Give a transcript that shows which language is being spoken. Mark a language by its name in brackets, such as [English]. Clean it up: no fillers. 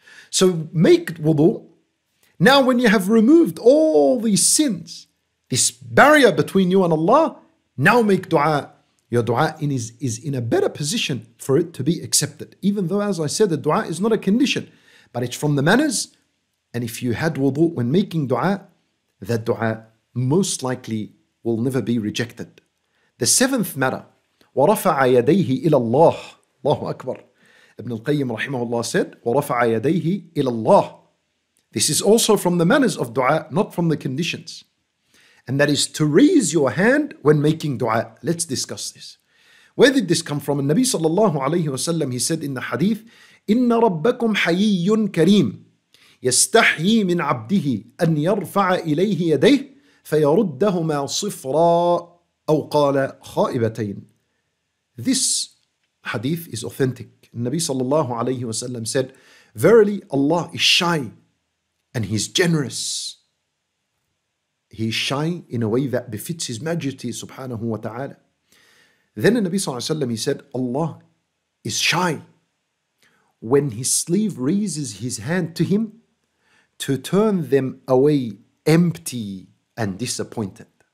[English] So make wudu. Now when you have removed all these sins, this barrier between you and Allah, now make dua. Your dua is in a better position for it to be accepted. Even though, as I said, the dua is not a condition, but it's from the manners. And if you had wudu when making dua, that dua most likely will never be rejected. The seventh matter, [Arabic] وَرَفَعَ يَدَيْهِ إِلَى اللَّهِ اللَّهُ أَكْبَرُ. [English] Ibn al-Qayyim rahimahullah said, [Arabic] وَرَفَعَ يَدَيْهِ إِلَى اللَّهِ. [English] This is also from the manners of dua, not from the conditions. And that is to raise your hand when making dua. Let's discuss this. Where did this come from? And Nabi sallallahu alayhi wa sallam, he said in the hadith, [Arabic] إِنَّ رَبَّكُمْ حَيِّيٌ كَرِيمٌ يَسْتَحْيِي مِنْ عَبْدِهِ أَنْ يَرْفَعَ إِلَيْهِ يَدَيْهِ فَيَرُدَّهُمَا صِفْرًا أَوْ قَالَ خَائِبَتَيْنِ. [English] This hadith is authentic. Nabi sallallahu alayhi wa sallam said, verily Allah is shy and He's generous. He's shy in a way that befits His majesty subhanahu wa ta'ala. Then the Nabi sallallahu alayhi wa sallam, he said, Allah is shy when His slave raises His hand to Him to turn them away empty and disappointed.